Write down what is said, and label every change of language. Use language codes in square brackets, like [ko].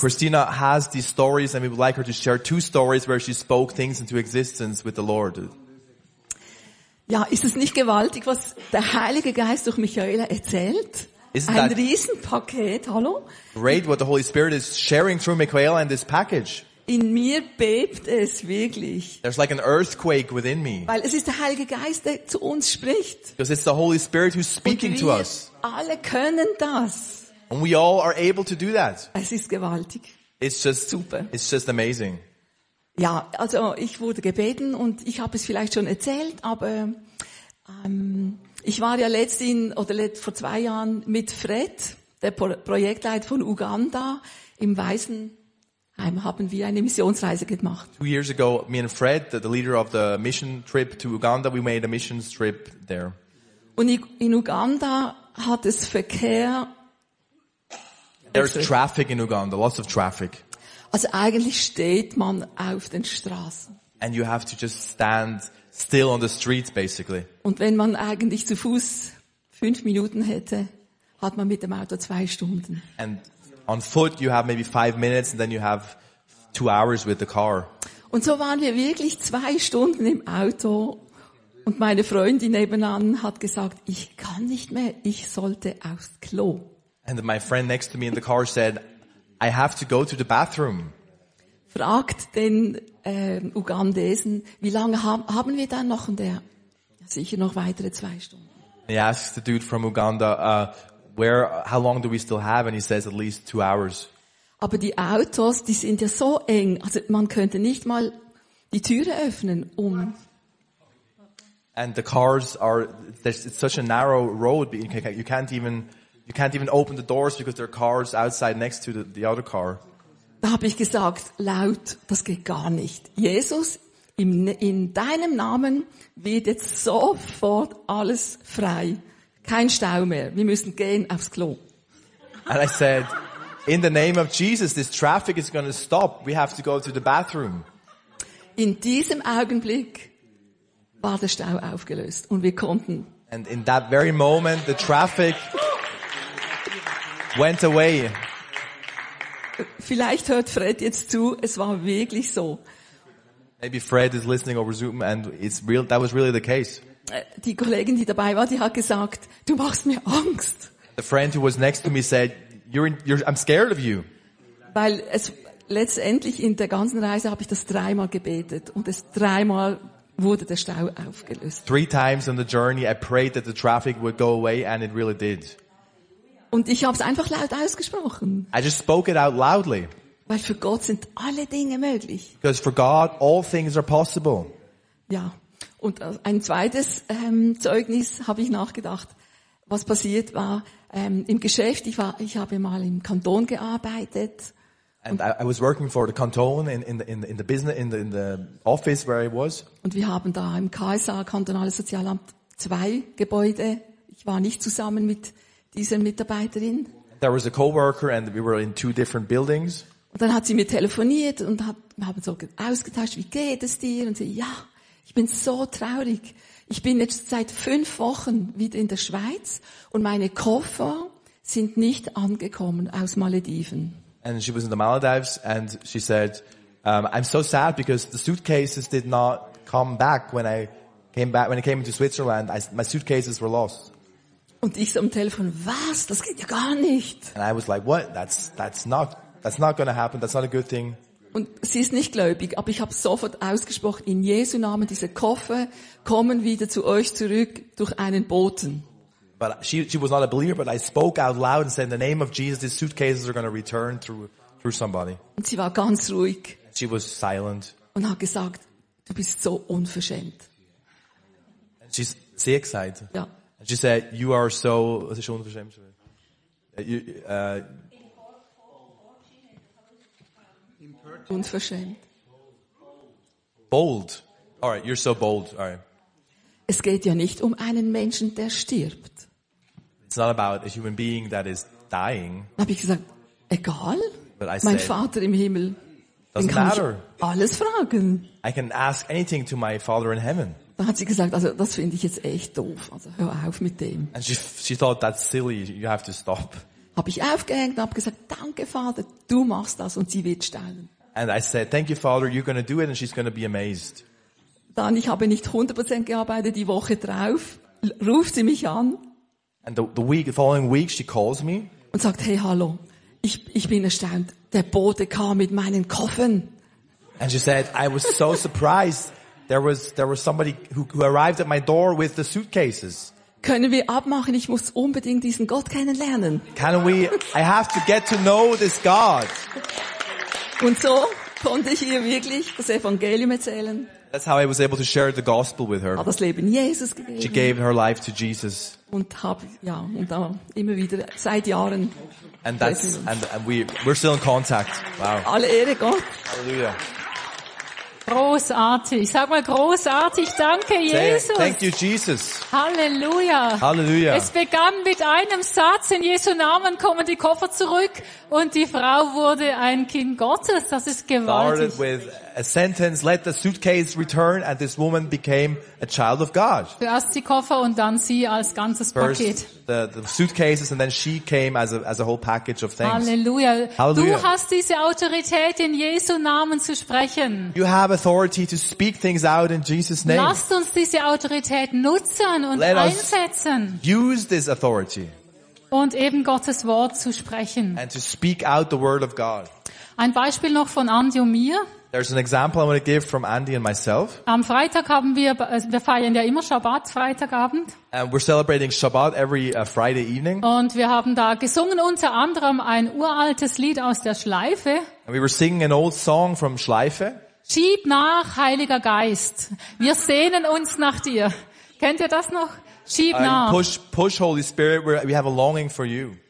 [en] So Christina has these stories and we would like her to share two stories where she spoke things into existence with the Lord. [de] Ja, ist es nicht gewaltig, was der Heilige Geist durch Michaela erzählt? Ein Riesenpaket, hallo? [en] Great, what the Holy Spirit is sharing through Michaela in this package. [de] In mir bebt es wirklich. [en] There's like an earthquake within me. [de] Weil es ist der Heilige Geist, der zu uns spricht. [en] Because it's the Holy Spirit who's speaking to us. [de] Alle können das. [en] And we all are able to do that. [de] Es ist gewaltig. [en] It's just super. It's just amazing. [de] Ja, also ich wurde gebeten und ich habe es vielleicht schon erzählt, aber ich war ja vor zwei Jahren mit Fred, der Projektleiter von Uganda, im Waisenheim haben wir eine Missionsreise gemacht. [en] 2 years ago, me and Fred, the leader of the mission trip to Uganda, we made a mission trip there. [de] Und in Uganda hat es Verkehr. [en] There's traffic in Uganda, lots of traffic. [de] Also eigentlich steht man auf den Straßen. [en] and you have to just stand still on the streets basically. [de] Und wenn man eigentlich zu Fuß 5 Minuten hätte, hat man mit dem Auto 2 Stunden. [en] And on foot you have maybe 5 minutes and then you have 2 hours with the car. [de] Und so waren wir wirklich 2 Stunden im Auto. Und meine Freundin nebenan hat gesagt, ich kann nicht mehr, ich sollte aufs Klo. [en] And my friend next to me in the car said, I have to go to the bathroom. [de] Fragt den Ugandesen, wie lange haben wir dann noch? Und der, sicher noch weitere 2 Stunden. [en] He asks the dude from Uganda, how long do we still have? And he says at least 2 hours. [de] Aber die Autos, die sind ja so eng, also man könnte nicht mal die Türe öffnen, um... [en] And the cars are, it's such a narrow road, you can't even open the doors because there are cars outside next to the other car. [de] Da habe ich gesagt, laut, das geht gar nicht. Jesus, in deinem Namen wird jetzt sofort alles frei. Kein Stau mehr, wir müssen gehen aufs Klo. [en] And I said, in the name of Jesus, this traffic is going to stop, we have to go to the bathroom. [de] In diesem Augenblick war der Stau aufgelöst und wir konnten. [en] And in that very moment the traffic went away. [de] Vielleicht hört Fred jetzt zu, es war wirklich so. [en] Maybe Fred is listening over Zoom and it's real, that was really the case. [de] Die Kollegin, die dabei war, die hat gesagt, du machst mir Angst. [en] The friend who was next to me said, I'm scared of you. [de] Weil es letztendlich in der ganzen Reise habe ich das dreimal gebetet und es dreimal wurde der Stau aufgelöst. [en] 3 times on the journey I prayed that the traffic would go away and it really did. [de] Und ich habe es einfach laut ausgesprochen. [en] I just spoke it out loudly. [de] Weil für Gott sind alle Dinge möglich. [en] Because for God all things are possible. [de] Ja. Und ein zweites Zeugnis habe ich nachgedacht, was passiert war im Geschäft. Ich habe mal im Kanton gearbeitet. [en] And I was working for the Kanton in the business in the office where I was. [de] Und wir haben da im KSA Kantonales Sozialamt 2 Gebäude. Ich war nicht zusammen mit dieser Mitarbeiterin. [en] There was a coworker and we were in 2 different buildings. [de] Und dann hat sie mir telefoniert und haben so ausgetauscht, wie geht es dir? Und sie, ja, ich bin so traurig. Ich bin jetzt seit 5 Wochen wieder in der Schweiz und meine Koffer sind nicht angekommen aus Malediven. [en] And she was in the Maldives and she said, I'm so sad because the suitcases did not come back when I came into Switzerland. My suitcases were lost. [de] Und ich so am Telefon, was? Das geht ja gar nicht. [en] And I was like, what? That's not going to happen. That's not a good thing. [de] Und sie ist nicht gläubig, aber ich habe sofort ausgesprochen, in Jesu Namen, diese Koffer kommen wieder zu euch zurück durch einen Boten. [en] But she was not a believer, but I spoke out loud and said, in the name of Jesus, these suitcases are going to return through somebody. [de] Und sie war ganz ruhig. [en] She was silent. [de] Und hat gesagt, du bist so unverschämt. [en] And she's [de] sehr gescheit. Ja. [en] And she said, you are so, [de] was ist unverschämt? Unverschämt. [en] Bold. All right, you're so bold. All right. [de] Es geht ja nicht um einen Menschen, der stirbt. [en] It's not about a human being that is dying. [de] Habe ich gesagt, egal. Mein Vater im Himmel. [en] Doesn't matter. [de] Alles fragen. [en] I can ask anything to my Father in heaven. [de] Dann hat sie gesagt, also das finde ich jetzt echt doof. Also hör auf mit dem. [en] And she thought that's silly. You have to stop. [de] Habe ich aufgehängt und habe gesagt, danke Vater, du machst das und sie wird staunen. [en] And I said, thank you Father, you're going to do it and she's going to be amazed. [de] Dann ich habe nicht 100% gearbeitet die Woche drauf, ruft sie mich an. [en] And the following week she calls me. [de] Und sagt, hey hallo, ich bin erstaunt, der Bote kam mit meinen Koffern. [en] And she said, I was so surprised, there was somebody who arrived at my door with the suitcases. [de] Können wir abmachen, ich muss unbedingt diesen Gott kennenlernen. [en] Can we, I have to get to know this God. [de] Und so konnte ich ihr wirklich das Evangelium erzählen. [en] That's how I was able to share the gospel with her. [de] Hat das Leben Jesus gegeben. [en] She gave her life to Jesus. [de] Und da immer wieder seit Jahren. [en] And we're still in contact. Wow. [de] Alle Ehre Gott. [en] Hallelujah. [de] Großartig. Sag mal großartig. Danke, Jesus. [en] Thank you, Jesus. [de] Halleluja. Halleluja. Es begann mit einem Satz. In Jesu Namen kommen die Koffer zurück. Und die Frau wurde ein Kind Gottes. Das ist gewaltig. [en] Started with a sentence, let the suitcase return, and this woman became a child of God. [de] Erst die Koffer und dann sie als ganzes Paket. [en] The suitcases and then she came as a whole package of things. [de] Halleluja. Halleluja. Du hast diese Autorität in Jesu Namen zu sprechen. [en] You have authority to speak things out in Jesus' name. [de] Lasst uns diese Autorität nutzen und einsetzen. [en] Use this authority. [de] Und eben Gottes Wort zu sprechen. [en] And to speak out the word of God. [de] Ein Beispiel noch von Andy und mir. [en] There's an example I want to give from Andy and myself. [de] Am Freitag haben wir feiern ja immer Shabbat, Freitagabend. [en] And we're celebrating Shabbat every Friday evening. [de] Und wir haben da gesungen unter anderem ein uraltes Lied aus der Schleife. [en] And we were singing an old song from Schleife. [de] Schieb nach, Heiliger Geist. Wir sehnen uns nach dir. Kennt ihr das noch? Schieb nach. [en] Push, Holy Spirit, we have a longing for you.